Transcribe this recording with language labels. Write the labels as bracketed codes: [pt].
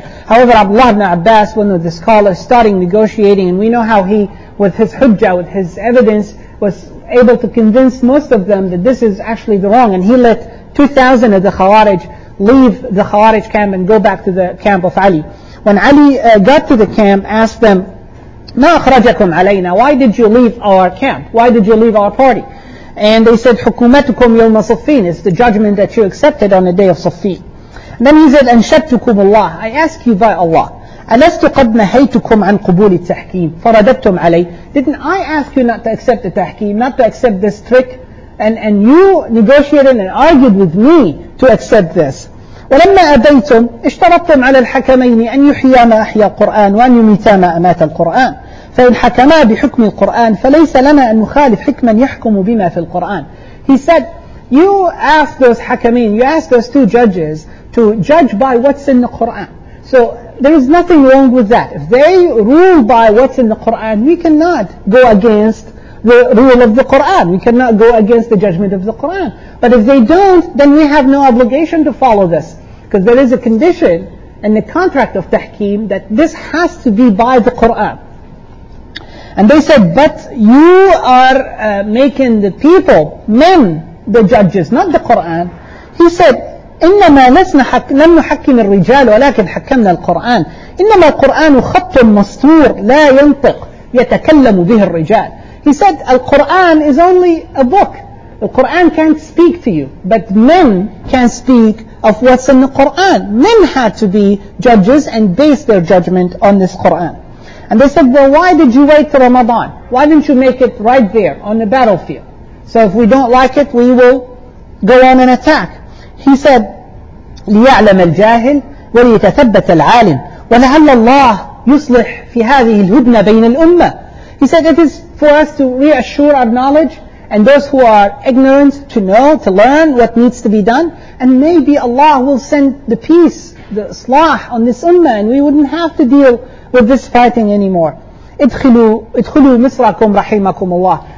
[en] However, Abdullah ibn Abbas, one of the scholars, starting negotiating, and we know how he, with his hujjah, with his evidence, was able to convince most of them that this is actually the wrong. And he let 2,000 of the Khawarij leave the Khawarij camp and go back to the camp of Ali. when Ali got to the camp, asked them, [ar] ما أخرجكم علينا? [en] Why did you leave our camp? Why did you leave our party? And they said, [ar] حكومتكم يوم صفين. [en] It's the judgment that you accepted on the day of صفين. And then he said, [ar] أنشدتكم الله. I ask you by Allah. ألست قد نهيتكم عن قبول التحكيم فرددتم علي. [en] Didn't I ask you not to accept the tahkim, not to accept this trick? And you negotiated and argued with me to accept this. [ar] ولما أبيتم اشترطتم على الحكمين أن يحيا ما أحيا القرآن وأن يميتا ما أمات القرآن فإن حكما بحكم القرآن فليس لنا أن نخالف حكما يحكم بما في القرآن. [en] He said, you asked those حكمين, you asked those two judges to judge by what's in the Quran. So there is nothing wrong with that. If they rule by what's in the Quran, we cannot go against the rule of the Quran. We cannot go against the judgment of the Quran. But if they don't, then we have no obligation to follow this. Because there is a condition in the contract of tahkim that this has to be by the Quran. And they said, but you are making the people, men, the judges, not the Quran. He said, [ar] إنما لم نحكم الرجال ولكن حكمنا القرآن إنما القرآن خط مستور لا ينطق يتكلم به الرجال. [en] He said, Al-Quran is only a book. Al-Quran can't speak to you, but men can speak of what's in the Quran. Men had to be judges and base their judgment on this Quran. And they said, well, why did you wait to Ramadan? Why didn't you make it right there on the battlefield? So if we don't like it, we will go on and attack. He said, [ar] ليعلم الجاهل وليتثبت العالم ولعل الله يصلح في هذه الهدنة بين الأمة. [en] He said, it is for us to reassure our knowledge and those who are ignorant to know, to learn what needs to be done. And maybe Allah will send the peace, the islah on this ummah and we wouldn't have to deal with this fighting anymore. [ar] ادخلوا مصركم رحمكم الله.